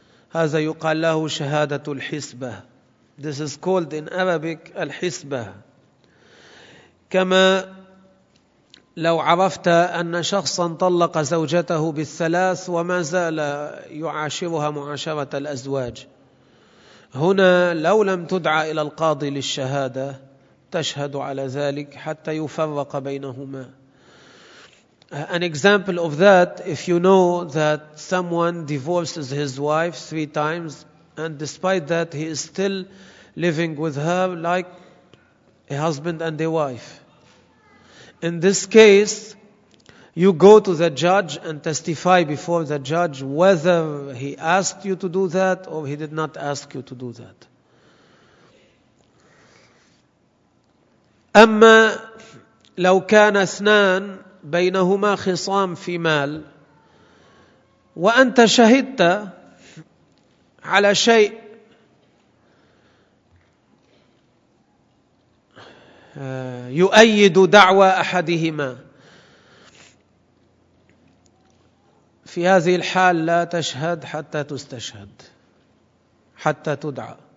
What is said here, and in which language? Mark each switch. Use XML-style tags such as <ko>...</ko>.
<ar>هذا يقال له شهادة الحسبة.</ar> <en>This is called in Arabic الحسبة.</en> <ar>كما لو عرفت أن شخصا طلق زوجته بالثلاث وما زال يعاشرها معاشرة الأزواج. هنا لو لم تدع إلى القاضي للشهادة تشهد على ذلك حتى يفرق بينهما.</ar> <en>An example of that, if you know that someone divorces his wife 3 times and despite that he is still living with her like a husband and a wife. In this case, you go to the judge and testify before the judge whether he asked you to do that or he did not ask you to do that.</en> <ar>أما لو كان اثنان بينهما خصام في مال وأنت شهدت على شيء يؤيد دعوى أحدهما في هذه الحال لا تشهد حتى تستشهد حتى تدعى.</ar>